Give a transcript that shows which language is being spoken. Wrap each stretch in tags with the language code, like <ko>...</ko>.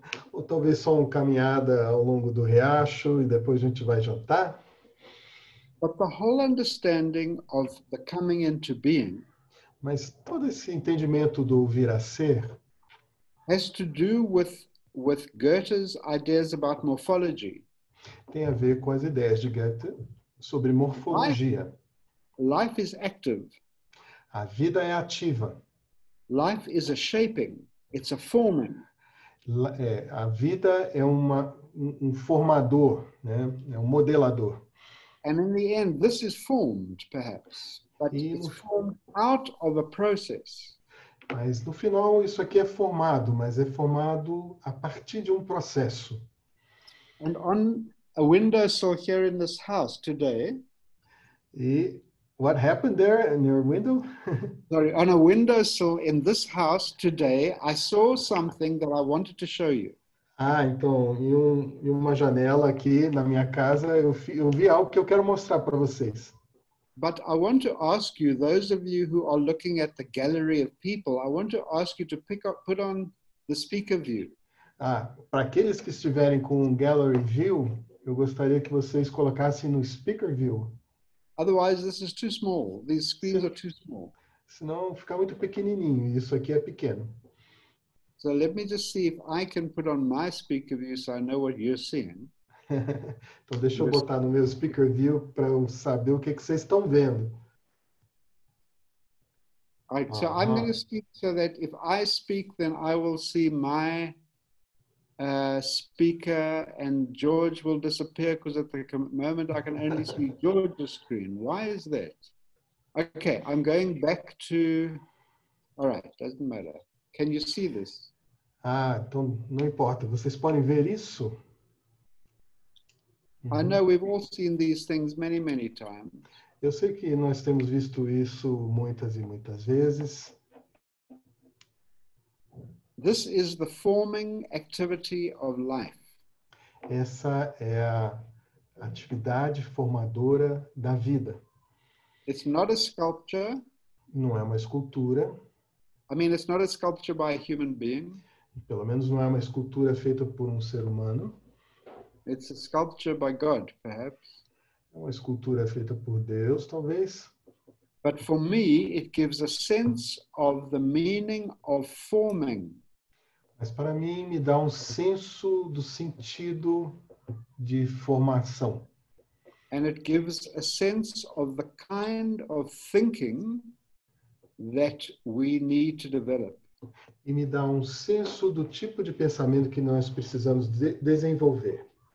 <pt>Ou talvez só uma caminhada ao longo do riacho e depois a gente vai jantar.</pt> <en>But the whole understanding of the coming into being.</en> <pt>Mas todo esse entendimento do vir a ser.</pt> <en>Has to do with Goethe's ideas about morphology.</en> <pt>Tem a ver com as ideias de Goethe sobre morfologia.</pt> <en>Life is active.</en> <pt>A vida é ativa.</pt> <en>Life is a shaping. It's a forming.</en> <pt>A vida é um formador, né? É um modelador.</pt> <en>And in the end, this is formed, perhaps. But it's formed out of a process.</en> <pt>Mas no final, isso aqui é formado, mas é formado a partir de um processo.</pt> <en>And on a window sill here in this house today. E what happened there in your window? Sorry, on a window sill in this house today, I saw something that I wanted to show you.</en> <pt>Ah, então, em uma janela aqui na minha casa, eu vi algo que eu quero mostrar para vocês.</pt> <en>But I want to ask you, those of you who are looking at the gallery of people, I want to ask you to pick up, put on the speaker view.</en> <pt>Ah, para aqueles que estiverem com um gallery view, eu gostaria que vocês colocassem no speaker view.</pt> <en>Otherwise, this is too small. These screens are too small.</en> <pt>Senão fica muito pequenininho. Isso aqui é pequeno.</pt> <en>So let me just see if I can put on my speaker view so I know what you're seeing.</en> <pt>Então deixa eu</pt> <en>You're</en> <pt>botar no meu speaker view para eu saber o que que vocês estão vendo.</pt> <en>All right, so I'm going to speak so that if I speak, then I will see my speaker and George will disappear because at the moment I can only see George's screen. Why is that? Okay, I'm going back to. All right, doesn't matter. Can you see this?</en> <pt>Ah, então não importa. Vocês podem ver isso?</pt> <en>I know we've all seen these things many, many times.</en> <pt>Eu sei que nós temos visto isso muitas e muitas vezes.</pt> <en>This is the forming activity of life.</en> <pt>Essa é a atividade formadora da vida.</pt> <en>It's not a sculpture.</en> <pt>Não é uma escultura.</pt> <en>I mean, it's not a sculpture by a human being.</en> <pt>Pelo menos não é uma escultura feita por um ser humano.</pt> <en>It's a sculpture by God, perhaps.</en> <pt>Uma escultura feita por Deus, talvez.</pt> <en>But for me, it gives a sense of the meaning of forming.</en> <pt>Mas para mim me dá um senso do sentido de formação.</pt> <en>And it gives a sense of the kind of thinking that we need to develop.</en> <pt>E me dá um senso do tipo de pensamento que nós precisamos de desenvolver.</pt>